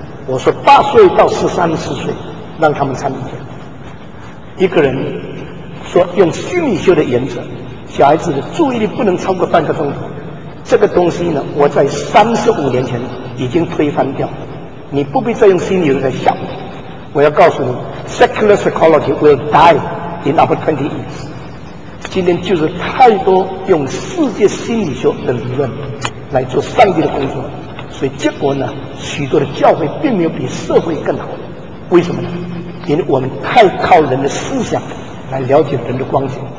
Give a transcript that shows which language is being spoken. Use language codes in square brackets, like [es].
[zh] 我说8岁到13、14岁让他们参意见。一个人说用心理学的原则，小孩子的注意力不能超过半个钟头，这个东西呢我在35年前已经推翻掉，你不必再用心理学来想。我要告诉你， [en] secular psychology will die in about 20 years。 [zh] 今天就是太多用世界心理学的理论来做上帝的工作，所以结果呢，许多的教会并没有比社会更好。为什么呢？因为我们太靠人的思想来了解人的光景。